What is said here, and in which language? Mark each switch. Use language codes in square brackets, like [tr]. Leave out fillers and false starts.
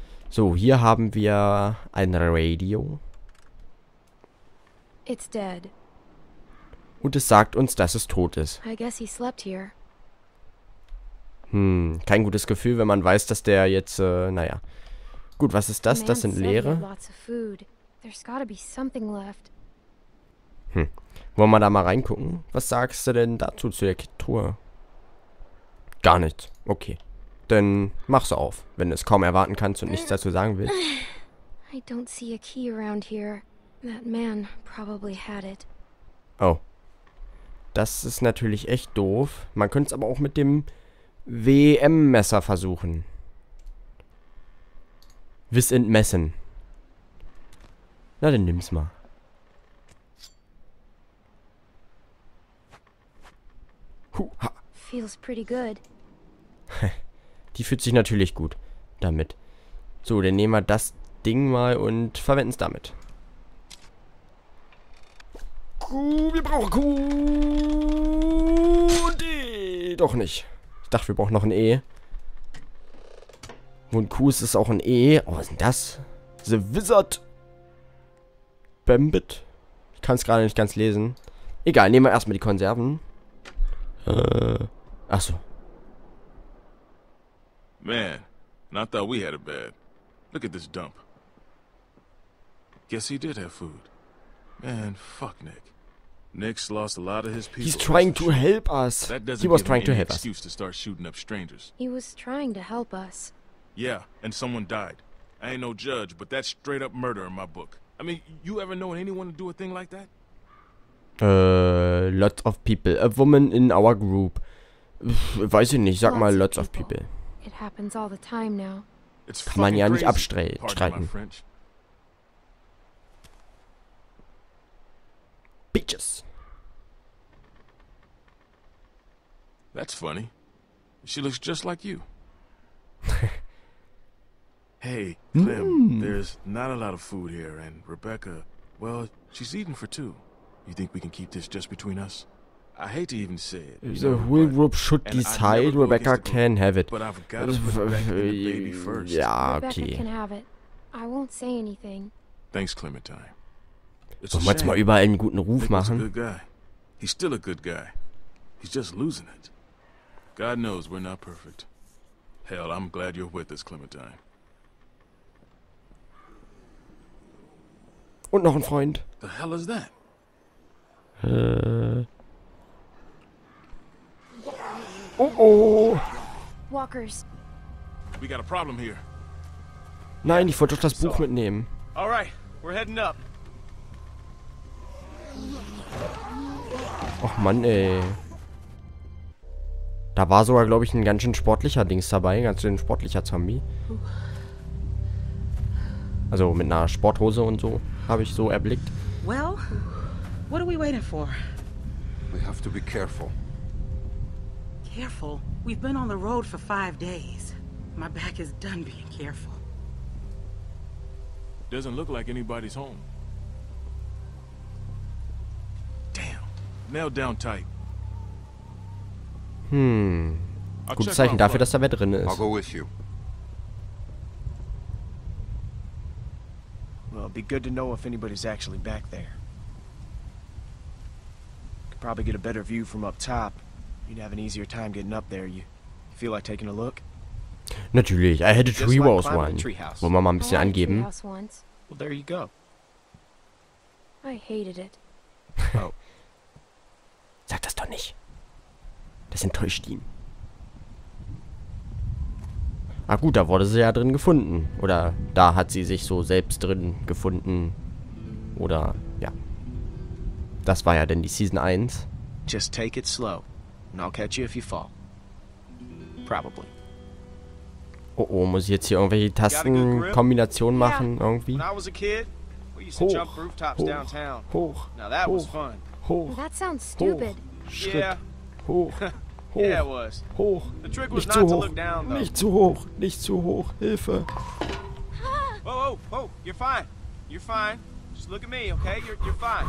[de] So, hier haben wir ein Radio. [en] It's dead. [de] Und es sagt uns, dass es tot ist. [en] I guess he slept here. [de] Hm, kein gutes Gefühl, wenn man weiß, dass der jetzt, naja. Gut, was ist das? Das sind Leere. [en] There's gotta be something left. [de] Hm, wollen wir da mal reingucken? Was sagst du denn dazu, zu der Truhe? Gar nichts, okay. Dann mach's auf, wenn du es kaum erwarten kannst und nichts dazu sagen willst. [en] I don't see a key around here. That man probably had it. Oh. [de] Das ist natürlich echt doof. Man könnte es aber auch mit dem WM-Messer versuchen. Wiss in Messen. Na, dann nimm's mal. Huh, ha. [en] Feels pretty good. [de] Die fühlt sich natürlich gut damit. So, dann nehmen wir das Ding mal und verwenden es damit. Kuh, wir brauchen Kuh. Und E. Doch nicht. Ich dachte, wir brauchen noch ein E. Und Kuh ist es auch ein E. Oh, was ist denn das? The Wizard. Bambit. Ich kann es gerade nicht ganz lesen. Egal, nehmen wir erstmal die Konserven. Achso. [en] Man, and I thought we had a bed. Look at this dump. Guess he did have food. Man, fuck Nick. Nick's lost a lot of his people. He's trying to help us. That doesn't give him any excuse to start shooting up strangers. He was trying to help us. Yeah, and someone died. I ain't no judge, but that's straight up murder in my book. I mean, you ever known anyone to do a thing like that? Lots of people. A woman in our group. [de] Weiß ich nicht, sag mal [en] lots of people. It happens all the time now. [de] It's kann man ja nicht abstreiten. [en] Bitches. That's funny. She looks just like you. Hey, Clem, there's not a lot of food here, and Rebecca, well, she's eating for two. You think we can keep this just between us? I hate to even say it. The Will Group should decide. Rebecca can have it. But I've got to put Rebecca and the baby first. Yeah, okay. Rebecca can have it. I won't say anything. Thanks, Clementine. [de] Sollen wir jetzt mal überall einen guten Ruf machen? [en] He's still a good guy. He's just losing it. God knows we're not perfect. Hell, I'm glad you're with us, Clementine. [de] Und noch ein Freund. [en] The hell is that? Walkers. We got a problem here. [de] Nein, ich wollte doch das Buch mitnehmen. [en] All right, we're heading up. [de] Och Mann, ey. Da war sogar, glaube ich, ein ganz schön sportlicher Dings dabei. Ein ganz schön sportlicher Zombie. Also mit einer Sporthose und so, habe ich so erblickt. [en] Well, what are we waiting for? We have to be careful. Careful? We've been on the road for 5 days. My back is done being careful. Doesn't look like anybody's home. Nailed down tight. [de] Gutes Zeichen dafür, dass da wer drin ist. [en] I'll go with you. Well, it'd be good to know if anybody's actually back there. Could probably get a better view from up top. You'd have an easier time getting up there. You feel like taking a look? [de] Natürlich. [en] I had a tree walls one. [de] Wollen wir mal ein bisschen angeben? [en] Well, there you go. I hated it. Oh. [de] Sag das doch nicht. Das enttäuscht ihn. Ah gut, da wurde sie ja drin gefunden. Oder da hat sie sich so selbst drin gefunden. Oder, ja. Das war ja denn die Season 1. [en] Just take it slow. And I'll catch you if you fall. Probably. [de] Oh oh, muss ich jetzt hier irgendwelche Tastenkombinationen machen? Irgendwie? [en] When I was a kid, we used to jump rooftops downtown. [de] Hoch. [en] Now that was fun. [de] Hoch. [en] That sounds stupid. [de] Schritt. Hoch. Hoch. Nicht zu hoch. Nicht zu hoch. Hilfe. [en] Oh, oh, oh. You're fine. You're fine. Just look at me, okay? You're fine.